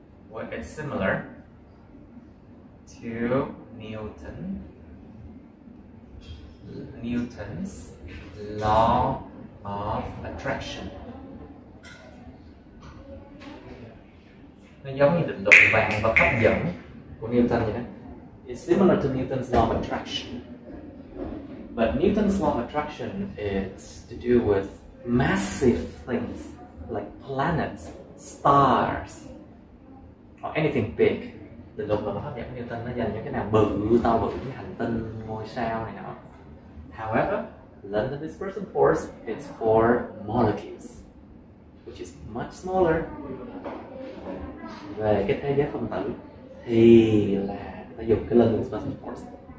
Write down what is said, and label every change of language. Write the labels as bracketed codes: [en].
[en] well, it's similar to Newton. Newton's law of attraction. [vi] Nó giống như định luật vạn vật hấp dẫn của Newton vậy đó. [en] It's similar to Newton's law of attraction. But Newton's law of attraction is to do with massive things like planets, stars, or anything big. The law of attraction of Newton [vi] nó dành cho cái nào bự, to bự như hành tinh, ngôi sao này nọ. [en] However, London dispersal force is for molecules, which is much smaller. [vi] Về cái thế giới phân tử thì là ta dùng cái London dispersal force.